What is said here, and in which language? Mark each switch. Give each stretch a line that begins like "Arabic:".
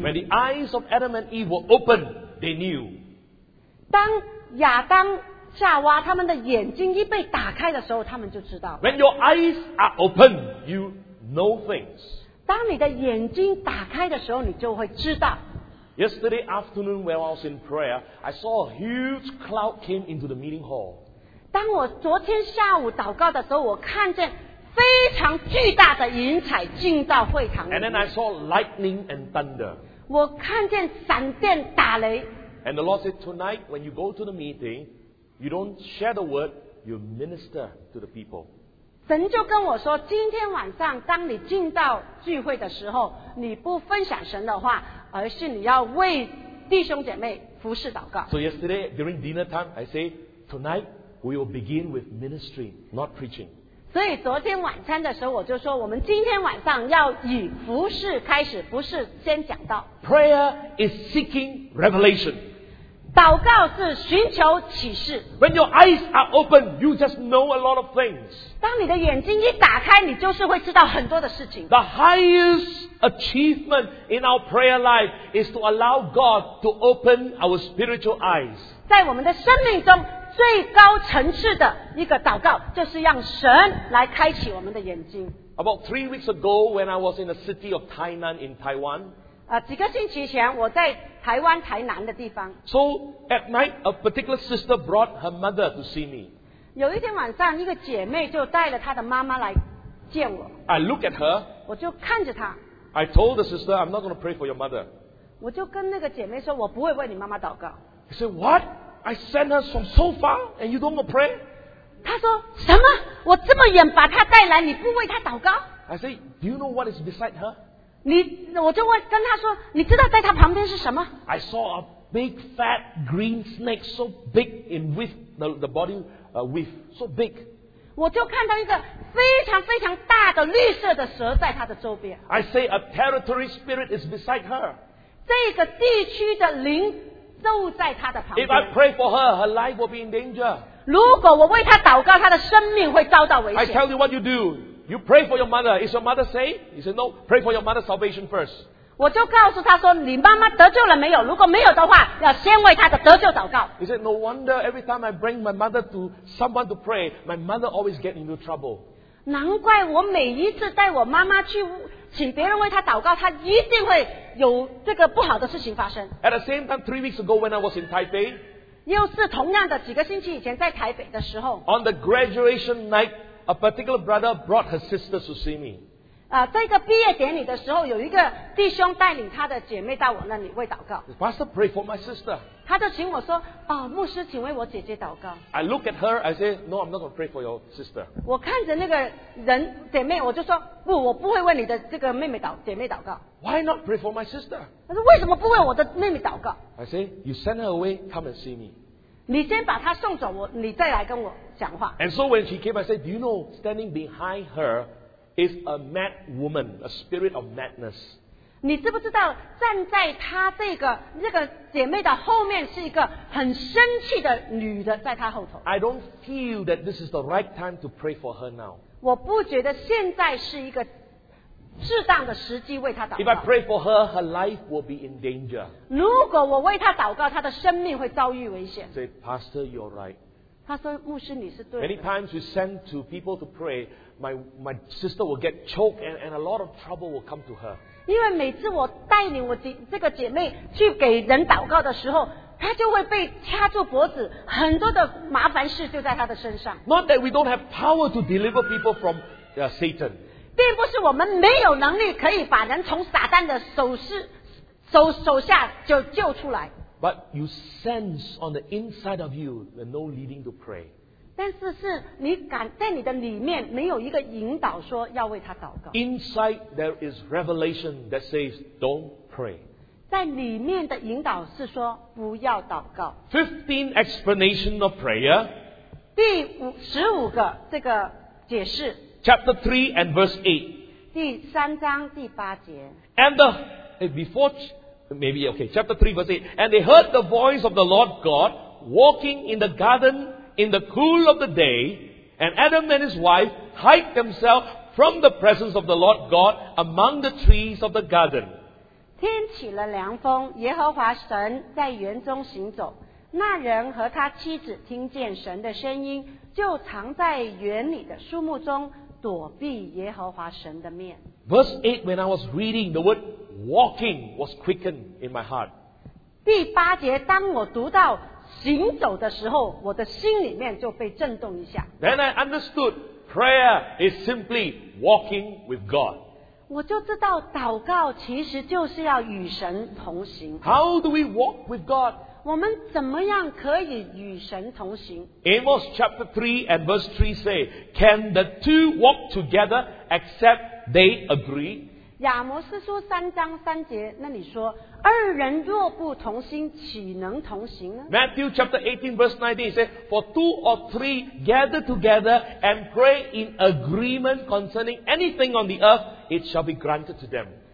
English: When the eyes of Adam and Eve were open, they knew.
Chinese: 当亚当、夏娃他们的眼睛一被打开的时候，他们就知道。
English: When your eyes are open, you know things.
Chinese: 当你的眼睛打开的时候，你就会知道。
English: Yesterday afternoon, when I was in prayer, I saw a huge cloud came into the meeting hall.
Chinese: 当我昨天下午祷告的时候，我看见非常巨大的云彩进到会堂里面。
English: And then I saw lightning and thunder.
Chinese: 我看见闪电打雷。
English: And the Lord said, tonight when you go to the meeting, you don't share the word, you minister to the people.
Chinese: 神就跟我说，今天晚上当你进到聚会的时候，你不分享神的话，而是你要为弟兄姐妹服侍祷告。
English: So yesterday during dinner time, I say, tonight we will begin with ministry, not preaching.
Chinese: 所以昨天晚餐的时候，我就说，我们今天晚上要以服侍开始，不是先讲道。
English: Prayer is seeking revelation.
Chinese: 祷告是寻求启示。
English: When your eyes are open, you just know a lot of things.
Chinese: 当你的眼睛一打开，你就是会知道很多的事情。
English: The highest achievement in our prayer life is to allow God to open our spiritual eyes.
Chinese: 在我们的生命中，最高层次的一个祷告，就是让神来开启我们的眼睛。
English: About 3 weeks ago, when I was in the city of Tainan in Taiwan,
Chinese: 几个星期前我在台湾台南的地方。
English: So at night, a particular sister brought her mother to see me.
Chinese: 有一天晚上，一个姐妹就带了她的妈妈来见我。
English: I look at her.
Chinese: 我就看着她。
English: I told the sister, I'm not going to pray for your mother.
Chinese: 我就跟那个姐妹说，我不会为你妈妈祷告。
English: She said, what? I sent her from so far and you don't pray?
Chinese: 她说什么？我这么远把她带来，你不为她祷告？
English: I say, do you know what is beside her?
Chinese: 我就问跟她说，你知道在她旁边是什么？
English: I saw a big fat green snake so big in width, the body width, so big.
Chinese: 我就看到一个非常非常大的绿色的蛇在她的周边。
English: I say, a territory spirit is beside her.
Chinese: 这个地区的灵都在他的旁边。
English: If I pray for her, her life will be in danger.
Chinese: 如果我为她祷告，她的生命会遭到危险。
English: I tell you what you do. You pray for your mother. Is your mother saved? He said no. Pray for your mother's salvation first.
Chinese: 我就告诉她说，你妈妈得救了没有？如果没有的话，要先为她的得救祷告。
English: He said no wonder every time I bring my mother to someone to pray, my mother always get into trouble.
Chinese: 难怪我每一次带我妈妈去请别人为他祷告，他一定会有这个不好的事情发生。
English: At the same time, 3 weeks ago when I was in Taipei,
Chinese: 又是同样的几个星期以前在台北的时候。
English: On the graduation night, a particular brother brought her sisters to see me.
Chinese: 在一个毕业典礼的时候，有一个弟兄带领他的姐妹到我那里为祷告。
English: Pastor, pray for my sister.
Chinese: 他就请我说，哦，牧师，请为我姐姐祷告。
English: I look at her, I say, no, I'm not going to pray for your sister.
Chinese: 我看着那个人姐妹，我就说，不，我不会为你的这个妹妹姐妹祷告。
English: Why not pray for my sister?
Chinese: 他说，为什么不为我的妹妹祷告？
English: I say, you send her away, come and see me.
Chinese: 你先把她送走，你再来跟我讲话。
English: And so when she came, I said, do you know, standing behind her is a mad woman, a spirit of madness.
Chinese: 你知不知道站在她这个姐妹的后面是一个很生气的女的在她后头。
English: I don't feel that this is the right time to pray for her now.
Chinese: 我不觉得现在是一个适当的时机为她祷告。
English: If I pray for her, her life will be in danger.
Chinese: 如果我为她祷告，她的生命会遭遇危险。
English: Say, Pastor, you're right.
Chinese: 她说，牧师，你是对的。
English: Many times we send to people to pray, my sister will get choked and a lot of trouble will come to her.
Chinese: 因为每次我带领我这个姐妹去给人祷告的时候，她就会被掐住脖子，很多的麻烦事就在她的身上。
English: Not that we don't have power to deliver people from Satan.
Chinese: 并不是我们没有能力可以把人从撒旦的手下就救出来。
English: But you sense on the inside of you the no leading to pray.
Chinese: 但是是你敢在你的里面没有一个引导说要为他祷告。
English: Inside there is revelation that says don't pray.
Chinese: 在里面的引导是说不要祷告。
English: 15 explanation of prayer.
Chinese: 第15个这个解释。
English: Chapter 3 and verse 8.
Chinese: 第三章第八节。
English: And the, before, maybe, okay, chapter 3 verse 8. And they heard the voice of the Lord God walking in the gardenIn the cool of the day, and Adam and his wife hide themselves from the presence of the Lord God among the trees of the garden.
Chinese: 天起了凉风，耶和华神在园中行走。那人和他妻子听见神的声音，就藏在园里的树木中，躲避耶和华神的面。
English: Verse 8, when I was reading, the word walking was quickened in my heart.
Chinese: 第八节，当我读到行走的时候，我的心里面就被震动一下。
English: Then I understood prayer is simply walking with God.
Chinese: 我就知道祷告其实就是要与神同行。
English: How do we walk with God?
Chinese: 我们怎么样可以与神同行？
English: Amos chapter 3 and verse 3 say, Can the two walk together except they agree?
Chinese: 亚摩斯书三章三节那里说二人若不同心岂能同行呢
English: Matthew chapter 18 verse 19 says, For two or three gather together and pray in agreement concerning anything on the earth it shall be granted to them